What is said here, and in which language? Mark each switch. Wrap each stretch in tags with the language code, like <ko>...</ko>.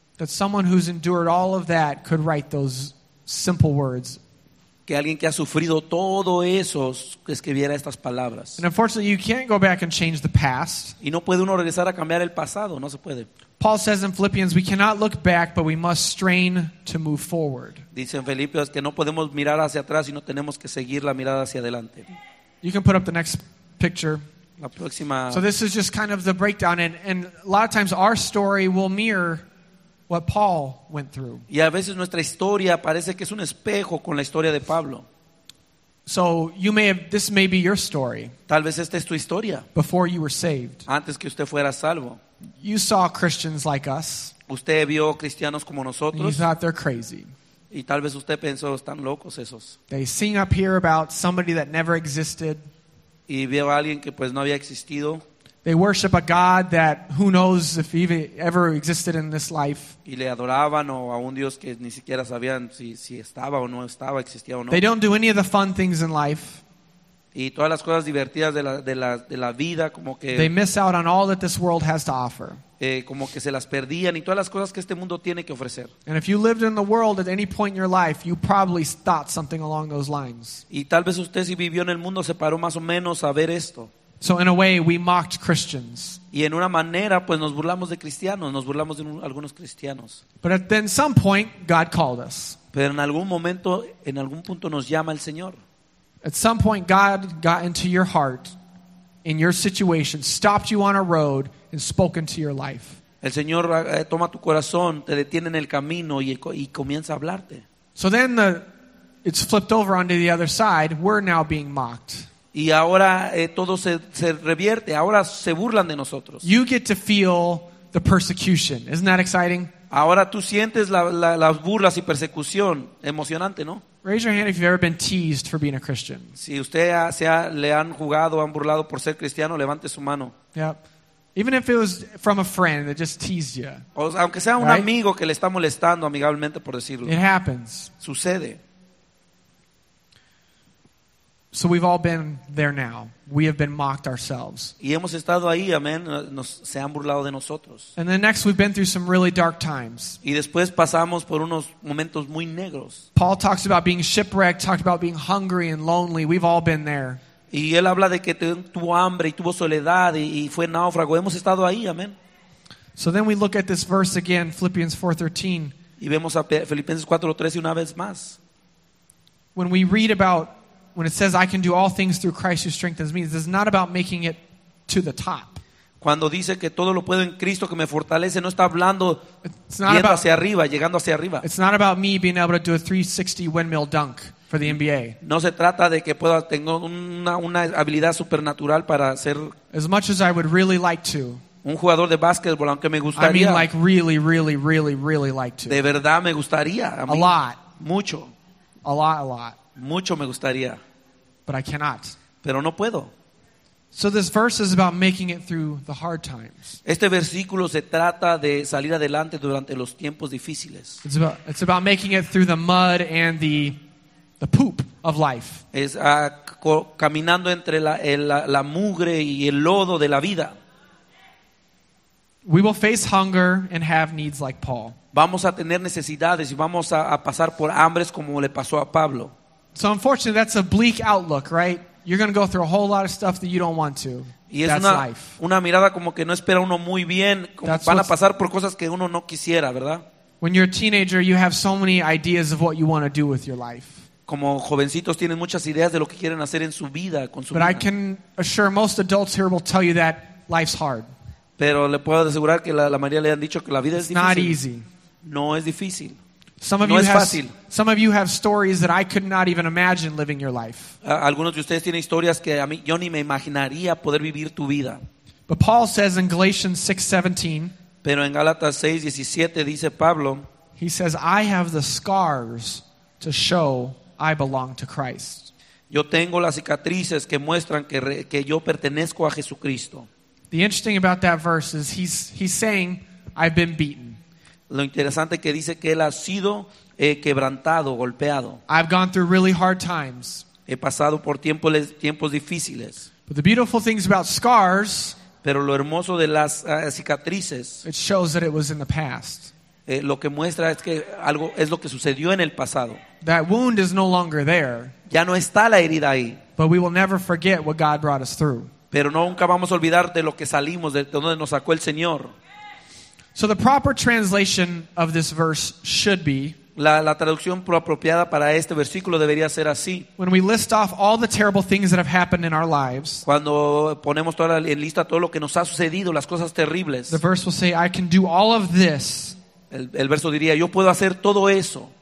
<en>That someone who's endured all of that could write those simple words.</en> <es>Que alguien que ha sufrido todo eso escribiera estas palabras.</es> <en>And unfortunately, you can't go back and change the past.</en> <es>Y no puede uno regresar a cambiar el pasado, no se puede.</es> <en>Paul says in Philippians, we cannot look back, but we must strain to move forward.</en> <es>Dice en Filipios que no podemos mirar hacia atrás, sino tenemos que seguir la mirada hacia adelante.</es> <en>You can put up the next picture.</en> <es>La próxima.</es> <en>So this is just kind of the breakdown, and a lot of times our story will mirror what Paul went through.</en> <es>Y a veces nuestra historia parece que es un espejo con la historia de Pablo.</es> <en>So you may have, this may be your story.</en> <es>Tal vez esta es tu historia.</es> <en>Before you were saved.</en> <es>Antes que usted fuera salvo.</es> <en>You saw Christians like us.</en> <es>Usted vio cristianos como nosotros.</es> <en>You thought they're crazy.</en> <es>Y tal vez usted pensó, están locos esos.</es> <en>They sing up here about somebody that never existed.</en> <es>Y vio a alguien que pues no había existido.</es> <en>They worship a God that who knows if he ever existed in this life.</en> <es>Y le adoraban o a un Dios que ni siquiera sabían si estaba o no estaba, existía o no.</es> <en>They don't do any of the fun things in life.</en> <es>Y todas las cosas divertidas de la vida como que</es> <en>they miss out on all that this world has to offer.</en> <es>Como que se las perdían y todas las cosas que este mundo tiene que ofrecer.</es> <en>And if you lived in the world at any point in your life, you probably thought something along those lines.</en> <es>Y tal vez usted si vivió en el mundo se paró más o menos a ver esto.</es> <en>So in a way we mocked Christians.</en> <es>Y en una manera pues nos burlamos de cristianos, nos burlamos de algunos cristianos.</es> <en>But at then some point God called us.</en> <es>Pero en algún momento, en algún punto nos llama el Señor.</es> <en>At some point God got into your heart in your situation, stopped you on a road and spoke into your life.</en> <es>El Señor toma tu corazón, te detiene en el camino y comienza a hablarte.</es> <en>So then it's flipped over onto the other side, we're now being mocked.</en> <es>Y ahora todo se revierte, ahora se burlan de nosotros.</es> <en>You get to feel the persecution. Isn't that exciting?</en> <es>Ahora tú sientes las burlas y persecución, emocionante, ¿no?</es> <en>Raise your hand if you've ever been teased for being a Christian.</en> <es>Si usted le han burlado por ser cristiano, levante su mano.</es> <en>Yep. Even if it was from a friend that just teased you.</en> <es>O sea, aunque sea un</es> <en>right?</en> <es>amigo que le está molestando amigablemente por decirlo.</es> <en>It happens.</en> <es>Sucede.</es> <en>So we've all been there now. We have been mocked ourselves.</en> <es>Y hemos estado ahí, amén. Se han burlado de nosotros.</es> <en>And then next we've been through some really dark times.</en> <es>Y después pasamos por unos momentos muy negros.</es> <en>Paul talks about being shipwrecked, talked about being hungry and lonely. We've all been there.</en> <es>Y él habla de que tuvo hambre y tuvo soledad y fue náufrago. Hemos estado ahí, amén.</es> <en>So then we look at this verse again, Philippians 4:13.</en> <es>Y vemos a Filipenses 4:13 una vez más.</es> <en>When we read about when it says I can do all things through Christ who strengthens me, it's not about making it to the top.</en> <es>Cuando dice que todo lo puedo en Cristo que me fortalece, no está hablando yendo hacia arriba, llegando hacia arriba.</es> <en>It's not about me being able to do a 360 windmill dunk for the NBA.</en> <es>No se trata de que pueda tengo una habilidad supernatural para ser</es> <en>as much as I would really like to.</en> <es>Un jugador de básquetbol, aunque me gustaría.</es> <en>I mean like really really really really like to.</en> <es>De verdad me gustaría a mí.</es> <en>A lot.</en> <es>Mucho.</es> <en>A lot, a lot.</en> <es>Mucho me gustaría.</es> <en>But I cannot.</en> <es>Pero no puedo.</es> <en>So this verse is about making it through the hard times.</en> <es>Este versículo se trata de salir adelante durante los tiempos difíciles.</es> <en>It's about making it through the mud and the poop of life.</en> <es>Es caminando entre la mugre y el lodo de la vida.</es> <en>We will face hunger and have needs like Paul.</en> <es>Vamos a tener necesidades y vamos a pasar por hambres como le pasó a Pablo.</es> <en>So unfortunately, that's a bleak outlook, right? You're going to go through a whole lot of stuff that you don't want to. That's life.</en> <es>Una mirada como que no espera uno muy bien. Van a pasar por cosas que uno no quisiera, ¿verdad?</es> <en>When you're a teenager, you have so many ideas of what you want to do with your life.</en> <es>Como jovencitos tienen muchas ideas de lo que quieren hacer en su vida, con su vida.</es> <en>But I can assure most adults here will tell you that life's hard.</en> <es>Pero le puedo asegurar que la mayoría le han dicho que la vida es difícil.</es> <en>Not easy.</en> <es>No es difícil.</es> <en>Some of</en> <es>no</es> <en>you have</en> <es>fácil.</es> <en>Some of you have stories that I could not even imagine living your life.</en> <es>Algunos de ustedes tienen historias que a mí yo ni me imaginaría poder vivir tu vida.</es> <en>But Paul says in Galatians 6:17.</en> <es>Pero en Gálatas 6:17 dice Pablo.</es> <en>He says, "I have the scars to show I belong to Christ."</en> <es>Yo tengo las cicatrices que muestran que yo pertenezco a Jesucristo.</es> <en>The interesting about that verse is he's saying, "I've been beaten."</en> <es>Lo interesante que dice que él ha sido quebrantado, golpeado.</es> <en>I've gone through really hard times.</en> <es>He pasado por tiempos difíciles.</es> <en>But the beautiful things about scars,</en> <es>pero lo hermoso de las cicatrices,</es> <en>it shows that it was in the past.</en> <es>Lo que muestra es que algo es lo que sucedió en el pasado.</es> <en>That wound is no longer there.</en> <es>Ya no está la herida ahí.</es> <en>But we will never forget what God brought us through.</en> <es>Pero nunca vamos a olvidar de lo que salimos, de donde nos sacó el Señor.</es> <en>So the proper translation of this verse should be</en> <es>la traducción apropiada para este versículo debería ser así.</es> <en>When we list off all the terrible things that have happened in our lives,</en> <es>cuando ponemos toda en lista todo lo que nos ha sucedido, las cosas terribles,</es> <en>the verse will say, "I can do all of this."</en> <es>El verso diría, yo puedo hacer todo eso.</es>